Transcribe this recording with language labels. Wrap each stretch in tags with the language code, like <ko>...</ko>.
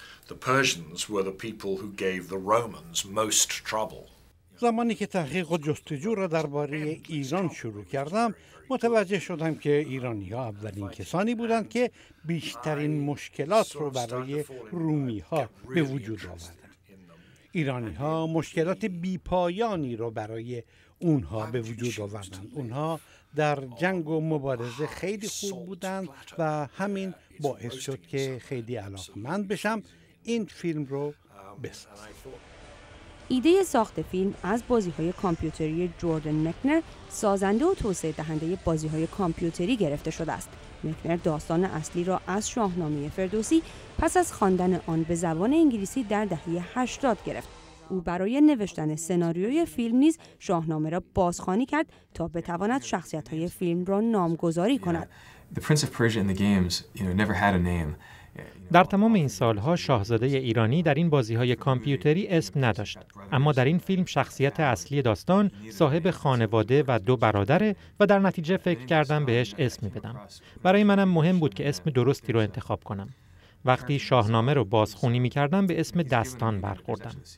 <en>The Persians were the people who gave the Romans most trouble.</en> <fa>زمانی که تحقیق و جستجو را درباره ایران شروع کردم، متوجه شدم که ایرانی‌ها اولین کسانی بودند که بیشترین مشکلات را برای رومی‌ها به وجود آوردند. ایرانی‌ها مشکلات بی‌پایانی را برای اونها به وجود آوردند. اونها در جنگ و مبارزه خیلی خوب بودند و همین باعث شد که خیلی علاقمند بشم این فیلم رو بسازم. ایده ساخت فیلم از بازی‌های کامپیوتری جوردن مکنر، سازنده و توسعه دهنده بازی‌های کامپیوتری گرفته شده است. مکنر داستان اصلی را از شاهنامه فردوسی پس از خواندن آن به زبان انگلیسی در دهه 80 گرفت. او برای نوشتن سناریوی فیلم نیز شاهنامه را بازخوانی کرد تا بتواند شخصیت‌های فیلم را نامگذاری کند.</fa> <en>The Prince of Persia in the games, you know, never had a name.</en> <fa>در تمام این سالها شاهزاده ایرانی در این بازی‌های کامپیوتری اسم نداشت، اما در این فیلم شخصیت اصلی داستان صاحب خانواده و دو برادره و در نتیجه فکر کردم بهش اسم می‌بدم. برای منم مهم بود که اسم درستی رو انتخاب کنم. وقتی شاهنامه رو بازخونی می‌کردم به اسم داستان برخوردم.</fa>